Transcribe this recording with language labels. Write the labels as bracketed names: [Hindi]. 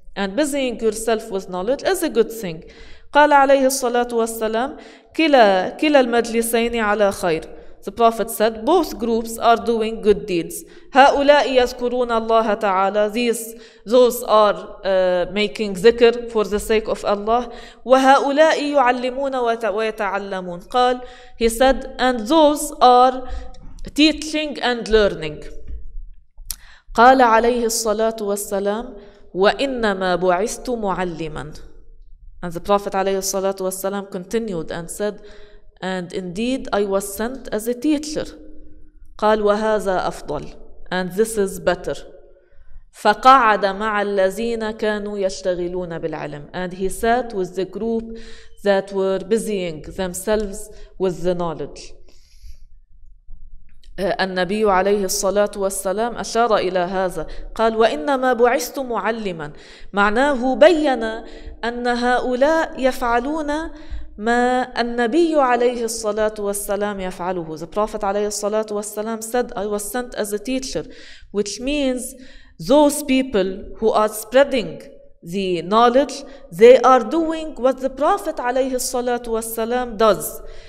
[English] And busying yourself with knowledge is a good thing. [Arabic] قال عليه الصلاة والسلام كلا المجلسين على خير. [English] The Prophet said both groups are doing good deeds. [Arabic] هؤلاء يذكرون الله تعالى. [English] Those are making ذكر for the sake of Allah. [Arabic] وهؤلاء يعلمون ويتعلمون. [English] قال, he said, and those are teaching and learning. [Arabic] قال عليه الصلاة والسلام وإنما بعثت معلما. [English] And the Prophet [Arabic] عليه الصلاة والسلام [English] continued and said, and indeed I was sent as a teacher. [Arabic] قال وهذا أفضل. [English] And this is better. [Arabic] فقعد مع الذين كانوا يشتغلون بالعلم. [English] And he sat with the group that were busying themselves with the knowledge. [Arabic] النبي عليه الصلاة والسلام أشار إلى هذا. قال وإنما بعثت معلما. معناه بيّن أن هؤلاء يفعلون ما النبي عليه الصلاة والسلام يفعله. [English] The Prophet [Arabic] عليه الصلاة والسلام [English] said I was sent as a teacher, which means those people who are spreading the knowledge, they are doing what the Prophet عليه الصلاة والسلام does.